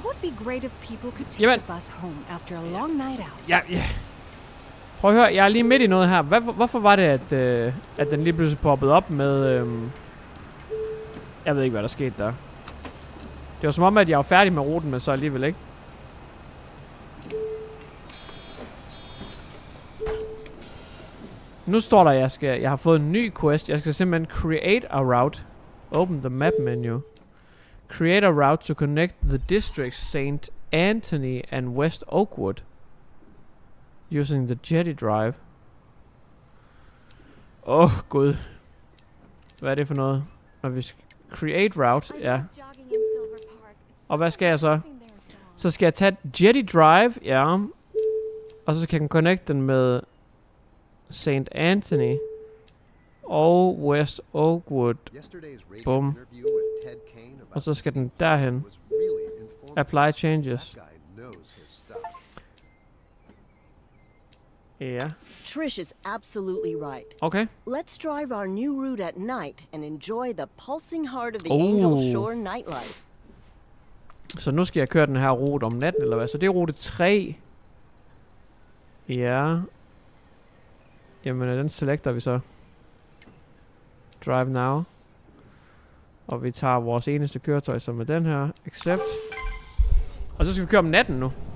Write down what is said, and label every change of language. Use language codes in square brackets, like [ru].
[en] Would be great if people could take the bus home after a long night out. [da] Ja. Prøv at høre, jeg er lige midt i noget her. Hvorfor var det at den lige pludselig poppede op med jeg ved ikke hvad der skete der. Det var som om at jeg var færdig med ruten, men så alligevel ikke. Nu står der, jeg har fået en ny quest. Jeg skal simpelthen [en] create a route. Open the map menu. Create a route to connect the districts St. Anthony and West Oakwood. Using the jetty drive. [da] Åh, gud. Hvad er det for noget? Når vi [en] create route, [da] ja. Og hvad skal jeg så? Så skal jeg tage jetty drive, ja. Og så kan jeg connect den med St. Anthony og West Oakwood. Boom. Og så skal den derhen. [en] Apply changes. Yeah. Trish is absolutely right. Okay. Let's drive our new route at night and enjoy the pulsing heart of the Angel Shore nightlife. [da] Så nu skal jeg køre den her rute om natten eller hvad? Så det er rute 3. Ja. [en] Yeah. [da] Jamen, den selekter vi så. [en] Drive now. [da] Og vi tager vores eneste køretøj, som er den her. [en] Accept. [da] Og så skal vi køre om natten nu.